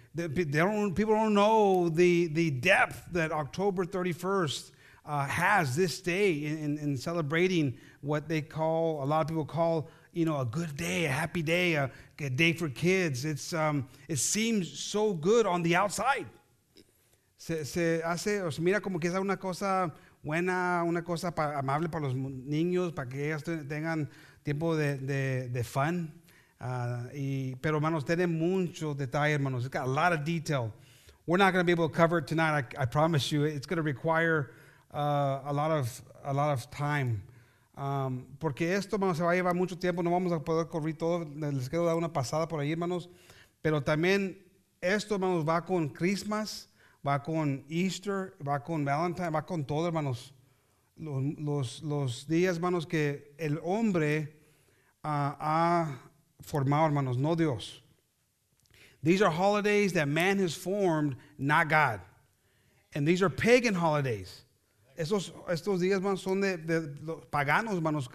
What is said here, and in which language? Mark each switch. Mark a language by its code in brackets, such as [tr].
[en] People don't know the depth that October 31st has this day in celebrating what they call, a lot of people call, you know, a good day, a happy day, a day for kids. It's it seems so good on the outside. [es] Se hace, o se mira como que es una cosa buena, una cosa amable para los niños, para que ellos tengan tiempo de fun. Pero hermanos, tiene mucho detalle, hermanos. [en] It's got a lot of detail. We're not going to be able to cover it tonight. I promise you, it's going to require a lot of time. [es] Porque esto, hermanos, se va a llevar mucho tiempo. No vamos a poder correr todo. Les quiero dar una pasada por ahí, hermanos. Pero también esto, hermanos, va con Christmas, va con Easter, va con Valentine, va con todo, hermanos. Los días, hermanos, que el hombre ha formado, hermanos, no Dios. [en] These are holidays that man has formed, not God. And these are pagan holidays. [es] Estos días, hermanos, son de los paganos, hermanos.